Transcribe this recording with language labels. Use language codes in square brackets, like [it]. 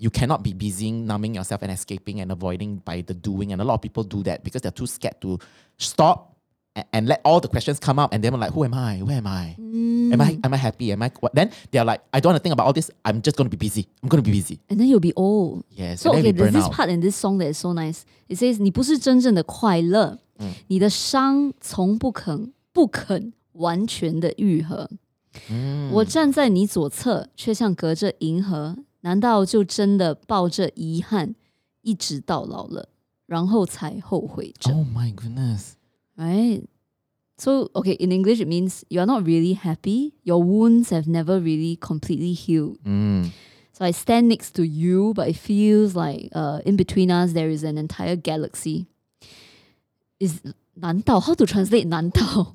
[en] You cannot be busy numbing yourself and escaping and avoiding by the doing. And a lot of people do that because they're too scared to stop and let all the questions come up. And then we're like, who am I? Where am I? Mm. Am I happy? Am I what? Then they're like, I don't want to think about all this. I'm just going to be busy. And then you'll be old. Yes. So okay, there's this part in this song that is so nice. It says, [zh] 你不是真正的快乐, 你的伤从不肯 完全的愈合 我站在你左侧 却像隔着银河 难道就真的抱着遗憾 一直到老了 然后才后悔着 [en] Oh my goodness. Right? So, okay, in English it means you are not really happy. Your wounds have never really completely healed. So I stand next to you, but it feels like in between us there is an entire galaxy. Is 难道?How to translate 难道?